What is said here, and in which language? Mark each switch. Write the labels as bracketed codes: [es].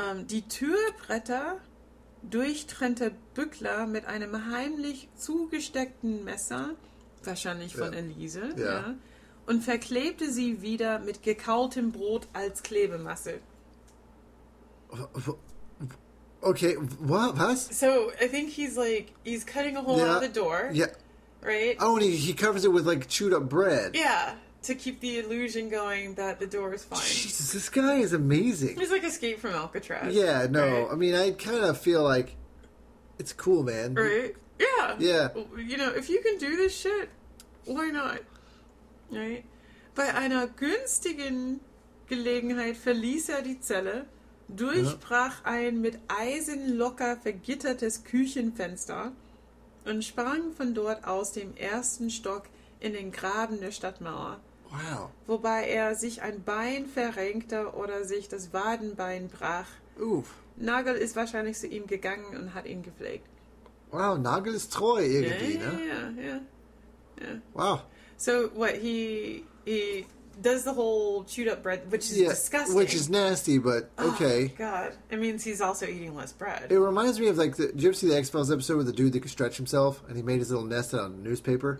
[de] Die Türbretter durchtrennte Bückler mit einem heimlich zugesteckten Messer, wahrscheinlich von Elise, ja, und verklebte sie wieder mit gekautem Brot als Klebemasse. Okay, was? [en] So, I think he's cutting a hole out of the door. Yeah. Right? Oh, and he covers it with, like, chewed up bread. Yeah, to keep the illusion going that the door is fine. Jesus, this guy is amazing. He's like Escape from Alcatraz. Yeah, no, right? I mean, I kind of feel like it's cool, man. Right? Yeah. Yeah. You know, if you can do this shit, why not? Right? [de] Bei einer günstigen Gelegenheit verließ er die Zelle, durchbrach ein mit Eisen locker vergittertes Küchenfenster und sprang von dort aus dem ersten Stock in den Graben der Stadtmauer. Wow. Wobei er sich ein Bein verrenkte oder sich das Wadenbein brach. Uff. Nagel ist wahrscheinlich zu ihm gegangen und hat ihn gepflegt. Wow, Nagel ist treu irgendwie, ne? Wow. [en] So, what, he does the whole chewed up bread, which is disgusting. Which is nasty, but okay. Oh, God. It means he's also eating less bread. It reminds me of, like, did you ever see the X-Files episode with the dude that could stretch himself and he made his little nest out of newspaper?